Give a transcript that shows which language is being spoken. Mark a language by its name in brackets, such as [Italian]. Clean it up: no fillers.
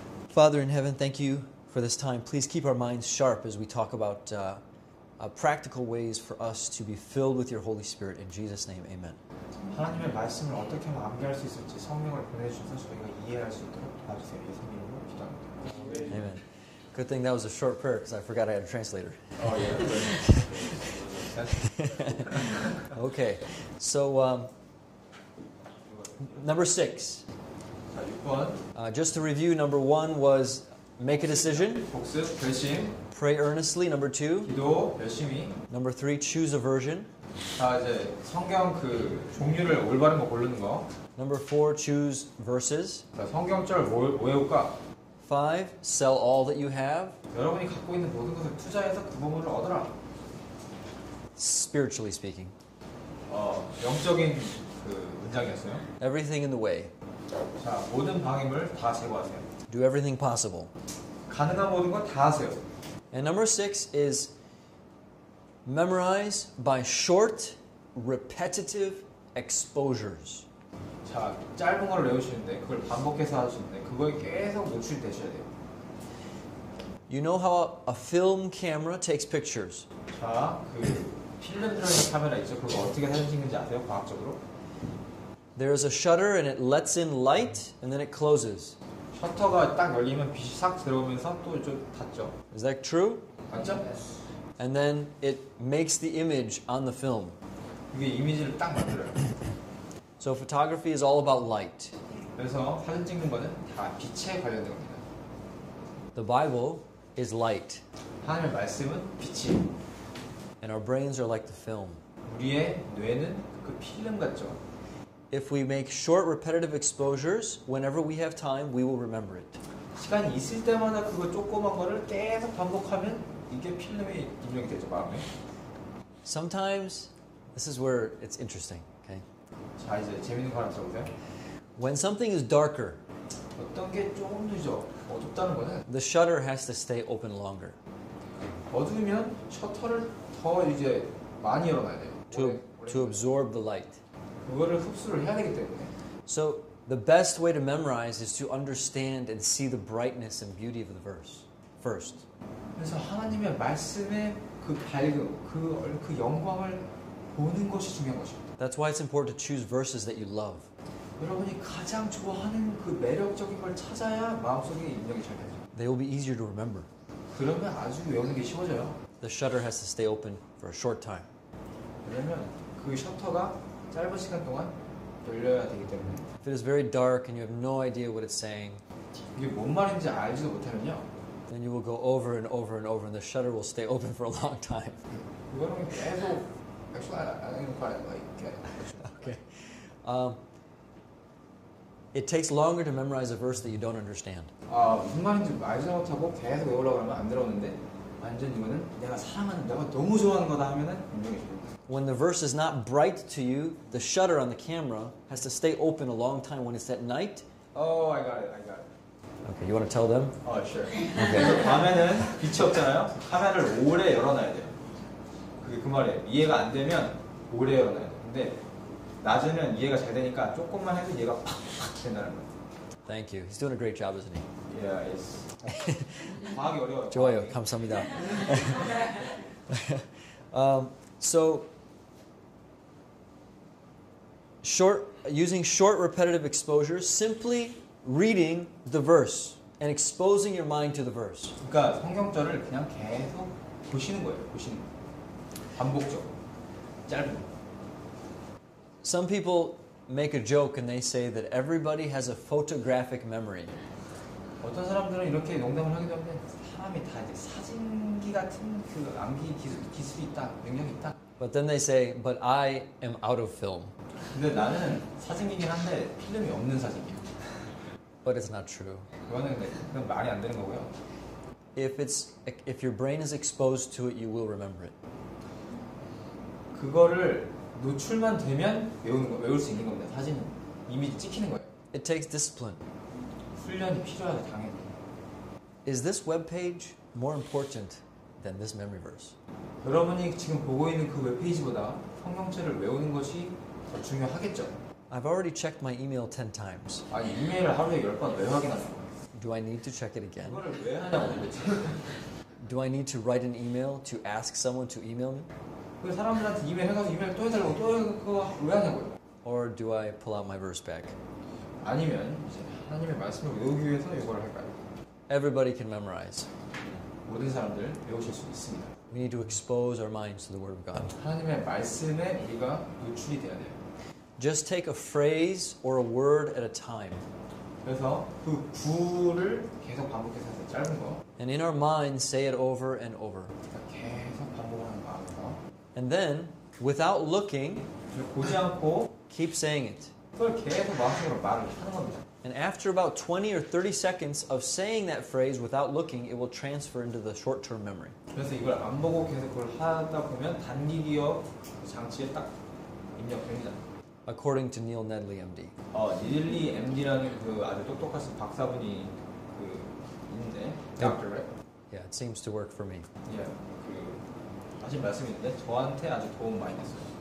[English] Father in heaven, thank you for this time. Please keep our minds sharp as we talk about practical ways for us to be filled with your Holy Spirit. In Jesus' name, amen. [Korean] 하나님의 말씀을 어떻게 암기할 수 있을지 성령을 보내주셔서 저희가 이해할 수 있도록 도와주세요. 예수님으로 기도합니다. [English] Amen. Good thing that was a short prayer because I forgot I had a translator. Oh, yeah. Okay. So, number six. Just to review, number one was make a decision. [Korean] 복습, 결심. [English] Pray earnestly. Number two. [Korean] 기도, 열심히. [English] Number three, choose a version. [Korean] 자, 이제 성경 그 종류를 올바른 거 고르는 거. [English] Number four, choose verses. [Korean] 자, 성경절 외울까? [English] Five, sell all that you have. [Korean] 여러분이 갖고 있는 모든 것을 투자해서 구원을 얻어라. [English] Spiritually speaking. [Korean] 영적인 그 문장이었어요. [English] Everything in the way. [Korean] 자, 모든 방임을 다 제거하세요. [English] Do everything possible. [Korean] 가능한 모든 걸 다 하세요. [English] And number six is memorize by short, repetitive exposures. [Korean] 자, 짧은 걸 외우시는데 그걸 반복해서 하시는데 그걸 계속 노출되셔야 돼요. [English] You know how a film camera takes pictures? [Korean] 자, 그 필름 들어있는 카메라 있죠? 그거 어떻게 사진 찍는지 아세요? 과학적으로? [English] There is a shutter and it lets in light and then it closes. [Korean] 셔터가 딱 열리면 빛이 싹 들어오면서 또 좀 닫죠. [English] Is that true? [Korean] 맞죠? [English] Yes. And then it makes the image on the film. [Korean] 이게 이미지를 딱 만들어요. [English] So photography is all about light. [Korean] 그래서 사진 찍는 거는 다 빛에 관련된 겁니다. [English] The Bible is light. [Korean] 하나님의 말씀은 빛이. [English] And our brains are like the film. [Korean] 우리의 뇌는 그 필름 같죠. [English] If we make short repetitive exposures, whenever we have time, we will remember it. [Korean] 시간이 있을 때마다 그거 조그만 거를 계속 반복하면 이게 필름이 입력이 되죠, 마음에. [English] Sometimes, this is where it's interesting, okay? [Korean] 자, 이제 재밌는 거 하나 들어보세요. [English] When something is darker, [Korean] 어떤 게 조금 늦어, 어둡다는 거는 [English] the shutter has to stay open longer. [Korean] 어두우면 셔터를 더 이제 많이 열어놔야 돼요. 오래, [English] to absorb the light. [Korean] 그거를 흡수를 해야 되기 때문에. [English] So, the best way to memorize is to understand and see the brightness and beauty of the verse first. [Korean] 그래서 하나님의 말씀의 그 밝음, 그 영광을 보는 것이 중요한 것입니다. [English] That's why it's important to choose verses that you love. [Korean] 여러분이 가장 좋아하는 그 매력적인 걸 찾아야 마음속에 입력이 잘 되죠. [English] They will be easier to remember. [Korean] 그러면 아주 외우는 게 쉬워져요. [English] The shutter has to stay open for a short time. [Korean] 왜냐면 그 셔터가 짧은 시간 동안 열려야 되기 때문에. [English] If it is very dark and you have no idea what it's saying, [Korean] 이게 뭔 말인지 알지도 못하면요. [English] Then you will go over and over and over, and the shutter will stay open for a long time. [Korean] 그거는 계속 [English] actually I don't quite like it. Okay. It takes longer to memorize a verse that you don't understand. [Korean] 무슨 말인지 알지 못하고 계속 외우려고 하면 안 들어오는데 완전 이거는 내가 사랑하는, 내가 너무 좋아하는 거다 하면은 분명히. [English] When the verse is not bright to you, the shutter on the camera has to stay open a long time when it's at night. Oh, I got it, I got it. Okay, you want to tell them? Oh, sure. Okay. [Korean] 밤에는 빛이 없잖아요. 카메라를 오래 열어놔야 돼요. 그게 그 말이에요. 이해가 안 되면 오래 열어놔야 돼요. 근데 낮에는 이해가 잘 되니까 조금만 해도 이해가 팍팍 된다는 거예요. [English] Thank you. He's doing a great job, isn't he? Yeah, it's... [Korean] 과학이 어려워요. 좋아요. 감사합니다. [English] So, using short repetitive exposures, simply reading the verse and exposing your mind to the verse. [Korean] 그러니까 성경절을 그냥 계속 보시는 거예요. 보시는 거예요. 반복적으로. 짧은 거. [English] Some people make a joke and they say that everybody has a photographic memory. [Korean] 어떤 사람들은 이렇게 농담을 하기도 하는데 사람이 다 이제 사진기 같은 그 암기 기술이 있다, 능력이 있다. [English] But then they say, but I am out of film. [Korean] 근데 나는 사진기긴 한데 필름이 없는 사진기야. [English] But it's not true. [Korean] 그거는 그냥 말이 안 되는 거고요. [English] If your brain is exposed to it, you will remember it. [Korean] 그거를 노출만 되면 외울 수 있는 겁니다. 사진은 이미 찍히는 거예요. [English] It takes discipline. [Korean] 훈련이 필요하다, 당연히. [English] Is this webpage more important than this memory verse? [Korean] 여러분이 지금 보고 있는 그 웹페이지보다 성경절을 외우는 것이 더 중요하겠죠? [English] I've already checked my email 10 times. [Korean] 아니, 이메일을 하루에 10번 왜 확인하는 거야? [English] Do I need to check it again? [Korean] 이걸 왜 하냐고, 도대체. [English] Do I need to write an email to ask someone to email me? [Korean] 그 사람들한테 이메일 해가지고 이메일 또 해달라고 또 그거 왜 하냐고요? [English] Or do I pull out my verse back? [Korean] 아니면 이제 하나님의 말씀을 외우기 위해서 이걸 할까요? [English] Everybody can memorize. [Korean] 모든 사람들 외우실 수 있습니다. [English] We need to expose our minds to the Word of God. [Korean] 하나님의 말씀에 우리가 노출이 돼야 돼요. [English] Just take a phrase or a word at a time. [Korean] 그래서 그 구를 계속 반복해서 짧은 거. [English] And in our minds, say it over and over. [Korean] 계속 반복하는 마음에서. [English] And then, without looking, [Korean] 보지 않고, [English] keep saying it. [Korean] 그걸 계속 마음속으로 말을 하는 겁니다. [English] And after about 20 or 30 seconds of saying that phrase without looking, it will transfer into the short-term memory. [Korean] 그래서 이걸 안 보고 계속 그걸 하다 보면 단기 기억 장치에 딱 입력됩니다. [English] According to Neil Nedley, MD. [Korean] 닐리 MD라는 그 아주 똑똑하신 박사분이 그 있는데, [English] Doctor, right? Yeah, it seems to work for me. [Korean] Yeah, 그 아신 말씀이 있는데 저한테 아주 도움 많이 됐어요.